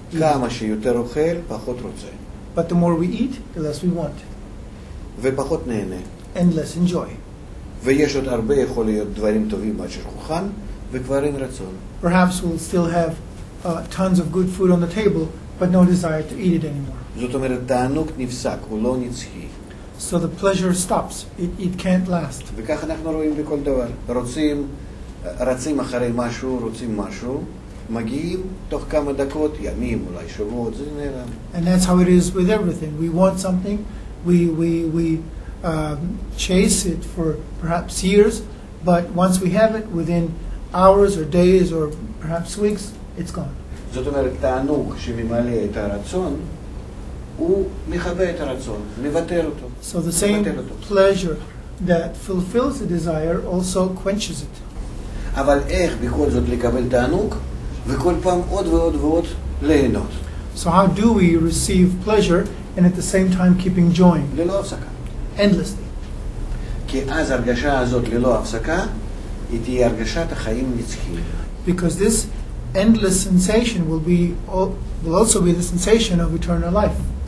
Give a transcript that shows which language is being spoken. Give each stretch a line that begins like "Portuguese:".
Hebrew: כמה שיותר אוכל, פחות רוצה.
English: But the more we eat, the less we want.
Hebrew: ופחות נהנה.
English: And less enjoy.
Hebrew: ויש עוד הרבה יכול להיות דברים טובים על השולחן, וכבר אין רצון.
English: Perhaps we'll still have tons of good food on the table, but no desire to eat it anymore.
Hebrew: זאת אומרת, תענוג נפסק, הוא לא נצחי.
English: So the pleasure stops. It can't last.
Hebrew: וכך אנחנו רואים בכל דבר. רוצים... רצים אחרי משהו, רוצים משהו, מגיעים תוך כמה דקות, ימים, אולי שבועות, זה נראה.
English: And that's how it is with everything. We want something, we chase it for perhaps years, but once we have it, within hours or days or perhaps weeks, it's gone.
Hebrew: זאת אומרת, תענוג שממלא את הרצון, הוא מחווה את הרצון, מבטל אותו.
English: So the same pleasure that fulfills the desire also quenches it.
Hebrew: אבל איך בכל זאת לקבל תענוג וכל פעם עוד ועוד ועוד ליהנות?
English: So how do we receive pleasure and at the same time keeping joy?
Hebrew: ללא הפסקה.
English: Endlessly.
Hebrew: כי אז הרגשה הזאת ללא הפסקה היא תהיה הרגשת החיים נצחיים.
English: Because this endless sensation will also be the sensation of eternal life.